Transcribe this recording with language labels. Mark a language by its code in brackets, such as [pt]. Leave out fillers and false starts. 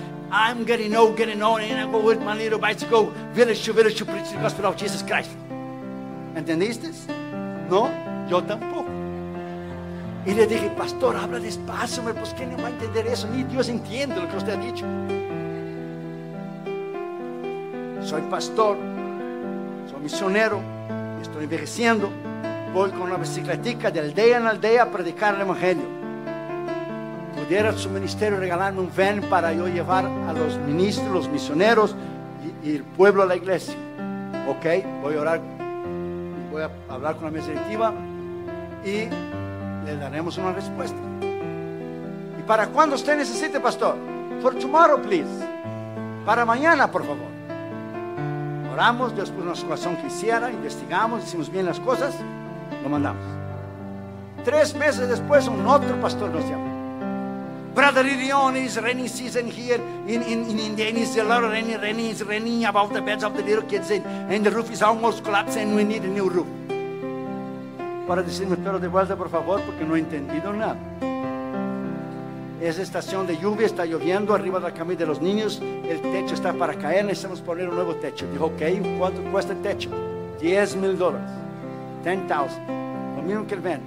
[en] I'm getting on, and I go with my little bicycle, village to preach the gospel of Jesus Christ. [es] ¿Entendiste? No, yo tampoco. Y le dije: pastor, habla despacio, hombre, pues ¿quién no va a entender eso? Ni Dios entiende lo que usted ha dicho. Soy pastor, soy misionero, estoy envejeciendo, voy con una bicicletica de aldea en aldea a predicar el evangelio. ¿Pudiera su ministerio regalarme un van para yo llevar a los ministros, los misioneros y el pueblo a la iglesia? Ok, voy a orar. Voy a hablar con la mesa directiva y le daremos una respuesta. ¿Y para cuándo usted necesite, pastor? [en] For tomorrow, please. [es] Para mañana, por favor. Oramos, Dios puso una situación que hiciera, investigamos, hicimos bien las cosas, lo mandamos. 3 meses después, un otro pastor nos llama. [en] Brother Irion, is raining season here in India, and it's a lot of raining, it's raining above the beds of the little kids, and the roof is almost collapsed, and we need a new roof. [es] Para decirme, pero de vuelta, por favor, porque no he entendido nada. Es estación de lluvia, está lloviendo arriba de la camilla de los niños, el techo está para caer, necesitamos poner un nuevo techo. Dijo, ok, ¿cuánto cuesta el techo? $10,000. $10,000. Lo mismo que el ven.